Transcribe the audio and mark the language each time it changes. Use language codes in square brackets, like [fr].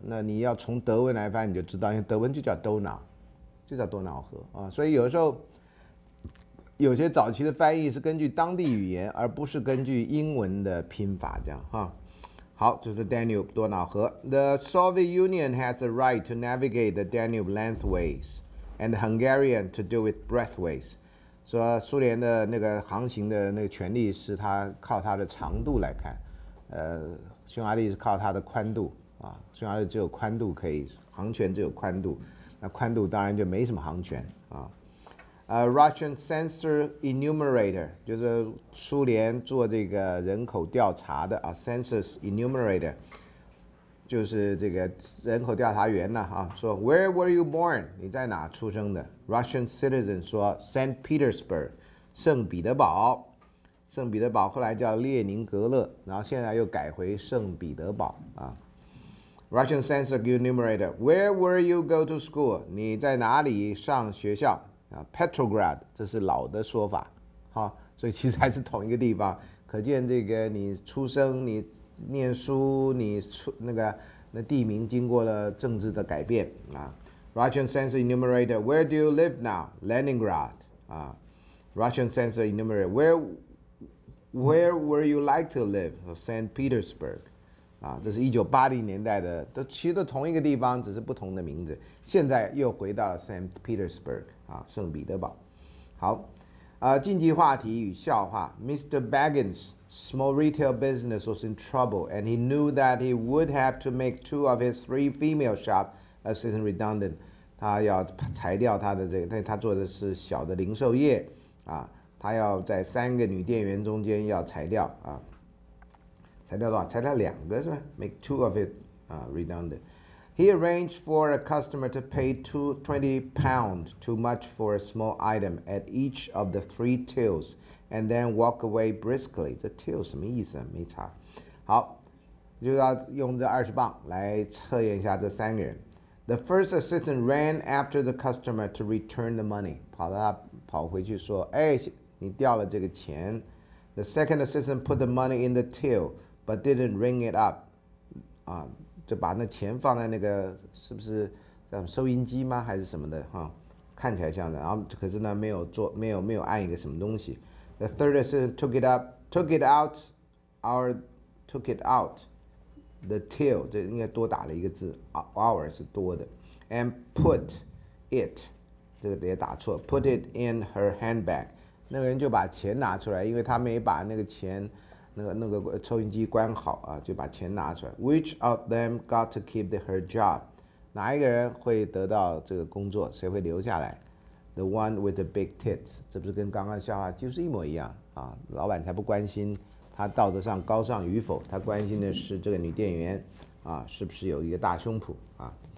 [zh] 那你要从德文来翻，你就知道，因为德文就叫 Donau， 就叫多瑙河啊。所以有时候有些早期的翻译是根据当地语言，而不是根据英文的拼法这样哈。好，就是 Danube 多瑙河。 [en] The Soviet Union has the right to navigate the Danube lengthways, and the Hungarian to do it breadthways. [zh] 说苏联的那个航行的那个权利是它靠它的长度来看，匈牙利是靠它的宽度啊，匈牙利只有宽度可以，航权只有宽度，那宽度当然就没什么航权啊。 Russian Census Enumerator 就是苏联做这个人口调查的啊 ，Census Enumerator 就是这个人口调查员呢啊，说 [en] Where were you born？ [zh] 你在哪出生的 ？Russian citizen 说 Saint Petersburg， 圣彼得堡。圣彼得堡后来叫列宁格勒，然后现在又改回圣彼得堡啊。 [en] Russian Census Enumerator， Where were you go to school？ [zh] 你在哪里上学校？Petrograd， 这是老的说法，好，所以其实还是同一个地方。可见这个你出生、你念书、你出那个那地名经过了政治的改变啊。 [en] Russian Census Enumerator， Where do you live now？ Leningrad 啊。 Russian Census Enumerator， Where would you like to live？ Saint Petersburg。 [zh] 啊，这是1980年代的，都其实都同一个地方，只是不同的名字。现在又回到了 Saint Petersburg 啊，圣彼得堡。好，禁忌话题与笑话。Mr. [en] Baggins' small retail business was in trouble, and he knew that he would have to make two of his three female shop assistants redundant. [zh] 他要裁掉他的这个，但他做的是小的零售业啊，他要在三个女店员中间要裁掉啊。裁掉多少？裁掉两个是吧 ？ [en] Make two of it、redundant. He arranged for a customer to pay £20 too much for a small item at each of the three tills, and then walk away briskly. [zh] 这 till 什么意思？没查。好，就要用这20磅来测验一下这三个人。 [en] The first assistant ran after the customer to return the money. [zh] 跑到他跑回去说：“哎，你掉了这个钱。 ” [en] The second assistant put the money in the till. But didn't ring it up， [zh] 啊，就把那钱放在那个是不是叫收音机吗？还是什么的哈、啊？看起来像的。然后可是呢，没有按一个什么东西。 [en] The third assistant took it out the till， [zh] 这应该多打了一个字 ，hour 是多的。 [en] And put it， [zh] 这个也打错 [en] ，put it in her handbag。 [zh] 那个人就把钱拿出来，因为他没把那个钱。那个抽音机关好啊，就把钱拿出来。 [en] Which of them got to keep her job？ [zh] 哪一个人会得到这个工作？谁会留下来 ？ [en] The one with the big tits， [zh] 这不是跟刚刚笑话就是一模一样啊？老板才不关心他道德上高尚与否，他关心的是这个女店员啊，是不是有一个大胸脯啊？